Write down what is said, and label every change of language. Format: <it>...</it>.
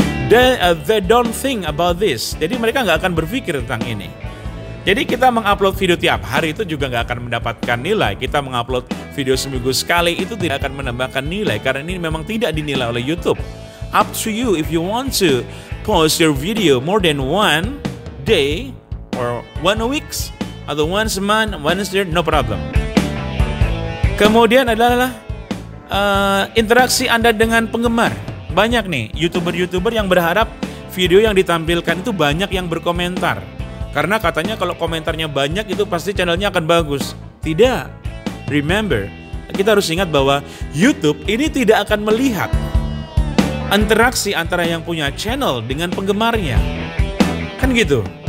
<en>They don't think about this.</en> <id>Jadi mereka nggak akan berpikir tentang ini. Jadi kita mengupload video tiap hari itu juga nggak akan mendapatkan nilai. Kita mengupload video seminggu sekali itu tidak akan menambahkan nilai karena ini memang tidak dinilai oleh YouTube.</id> <en>Up to you if you want to post your video more than one day or one week atau once a month, once a year, no problem.</en> <id>Kemudian adalah interaksi Anda dengan penggemar. Banyak nih YouTuber-YouTuber yang berharap video yang ditampilkan itu banyak yang berkomentar. Karena katanya kalau komentarnya banyak itu pasti channelnya akan bagus. Tidak. Remember, kita harus ingat bahwa YouTube ini tidak akan melihat interaksi antara yang punya channel dengan penggemarnya. Kan gitu.</id>